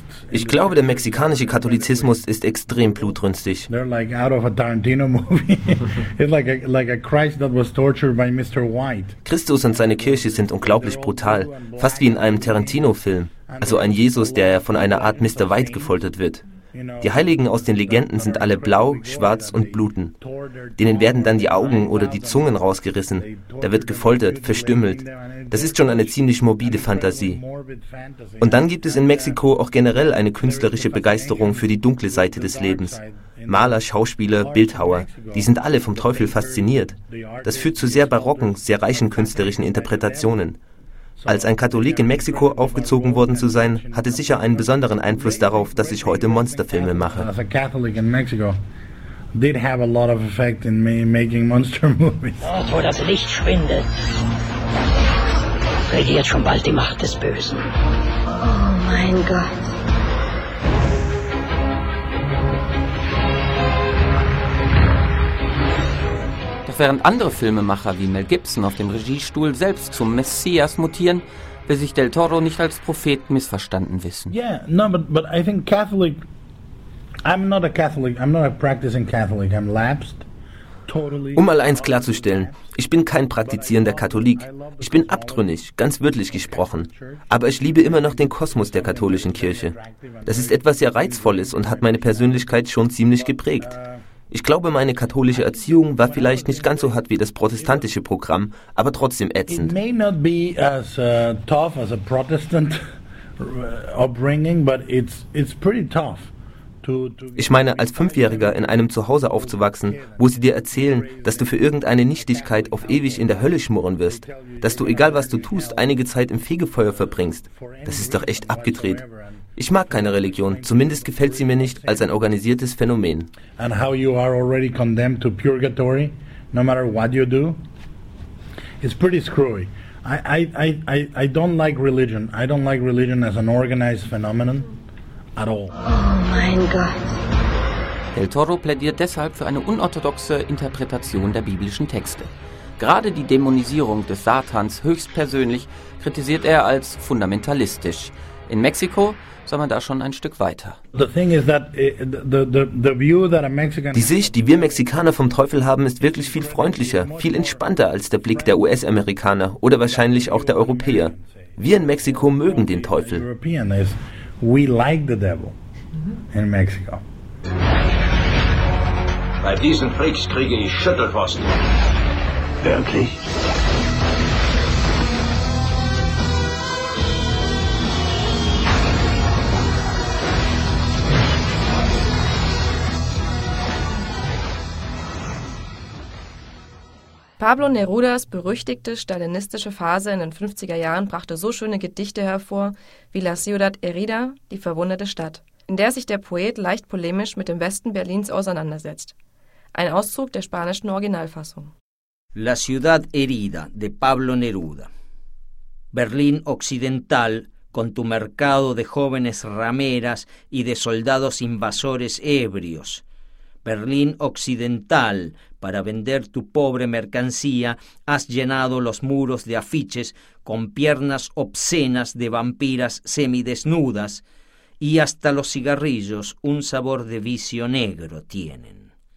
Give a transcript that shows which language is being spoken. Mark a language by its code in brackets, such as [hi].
[de] Ich glaube, der mexikanische Katholizismus ist extrem blutrünstig. [en] They're like out of a Tarantino movie. It's like a Christ that was tortured by Mr. White. [de] Christus und seine Kirche sind unglaublich brutal, fast wie in einem Tarantino-Film. Also ein Jesus, der von einer Art Mr. White gefoltert wird. Die Heiligen aus den Legenden sind alle blau, schwarz und bluten. Denen werden dann die Augen oder die Zungen rausgerissen. Da wird gefoltert, verstümmelt. Das ist schon eine ziemlich morbide Fantasie. Und dann gibt es in Mexiko auch generell eine künstlerische Begeisterung für die dunkle Seite des Lebens. Maler, Schauspieler, Bildhauer, die sind alle vom Teufel fasziniert. Das führt zu sehr barocken, sehr reichen künstlerischen Interpretationen. Als ein Katholik in Mexiko aufgezogen worden zu sein, hatte sicher einen besonderen Einfluss darauf, dass ich heute Monsterfilme mache. [en] As a Catholic in Mexico, did have a lot of effect in me making monster movies. [de] Wo das Licht schwindet, regiert schon bald die Macht des Bösen. Oh mein Gott. Während andere Filmemacher wie Mel Gibson auf dem Regiestuhl selbst zum Messias mutieren, will sich Del Toro nicht als Prophet missverstanden wissen. [en] Yeah, no, but I think Catholic. I'm not a Catholic. I'm not a practicing Catholic. I'm lapsed. [de] Um mal eins klarzustellen, ich bin kein praktizierender Katholik. Ich bin abtrünnig, ganz wörtlich gesprochen. Aber ich liebe immer noch den Kosmos der katholischen Kirche. Das ist etwas sehr Reizvolles und hat meine Persönlichkeit schon ziemlich geprägt. Ich glaube, meine katholische Erziehung war vielleicht nicht ganz so hart wie das protestantische Programm, aber trotzdem ätzend. [en] It may not be as tough as a Protestant upbringing, but it's pretty tough. [de] Ich meine, als Fünfjähriger in einem Zuhause aufzuwachsen, wo sie dir erzählen, dass du für irgendeine Nichtigkeit auf ewig in der Hölle schmoren wirst, dass du, egal was du tust, einige Zeit im Fegefeuer verbringst, das ist doch echt abgedreht. Ich mag keine Religion, zumindest gefällt sie mir nicht als ein organisiertes Phänomen. [en] And how you are already condemned to purgatory, no matter what you do, it's pretty screwy. I don't like religion. I don't like religion as an organized phenomenon. At all. Oh mein Gott. [de] Del Toro plädiert deshalb für eine unorthodoxe Interpretation der biblischen Texte. Gerade die Dämonisierung des Satans höchstpersönlich kritisiert er als fundamentalistisch. In Mexiko sind wir da schon ein Stück weiter. Die Sicht, die wir Mexikaner vom Teufel haben, ist wirklich viel freundlicher, viel entspannter als der Blick der US-Amerikaner oder wahrscheinlich auch der Europäer. Wir in Mexiko mögen den Teufel. [en] We like the devil in Mexico. [de] Bei diesen Freaks kriege ich Schüttelfrost. Wirklich? Pablo Nerudas berüchtigte stalinistische Phase in den 50er Jahren brachte so schöne Gedichte hervor wie La Ciudad Herida, die verwundete Stadt, in der sich der Poet leicht polemisch mit dem Westen Berlins auseinandersetzt. Ein Auszug der spanischen Originalfassung. [es] La Ciudad Herida de Pablo Neruda. Berlin Occidental con tu mercado de jóvenes rameras y de soldados invasores ebrios. Berlín Occidental, para vender tu pobre mercancía, has llenado los muros de afiches con piernas obscenas de vampiras semidesnudas y hasta los cigarrillos un sabor de vicio negro tienen.